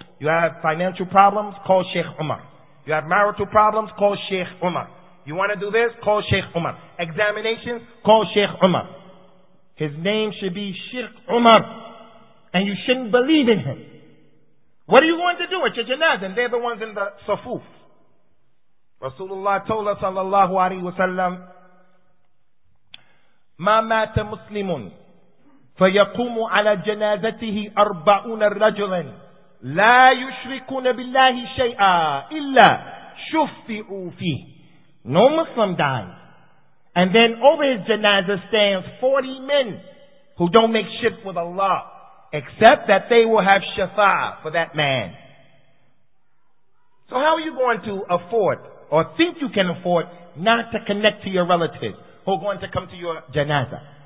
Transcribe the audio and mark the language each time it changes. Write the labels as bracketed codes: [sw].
[en] You have financial problems, call Sheikh Umar. You have marital problems, call Sheikh Umar. You want to do this, call Sheikh Umar. Examinations, call Sheikh Umar. His name should be Sheikh Umar. And you shouldn't believe in him. What are you going to do at your janazah? And they're the ones in the safuf. Rasulullah told us, [ar] sallallahu alayhi wa sallam, مَا مَاتَ مُسْلِمٌ فَيَقُومُ عَلَى جَنَازَتِهِ أَرْبَعُونَ رَجُلًا لَا يُشْرِكُونَ بِاللَّهِ شَيْئًا إِلَّا شُفِّعُوا فِيهِ. [en] No Muslim dies. And then over his janazah stands 40 men who don't make shirk with Allah, except that they will have shafa'ah for that man. So how are you going to afford, or think you can afford, not to connect to your relatives who are going to come to your janazah?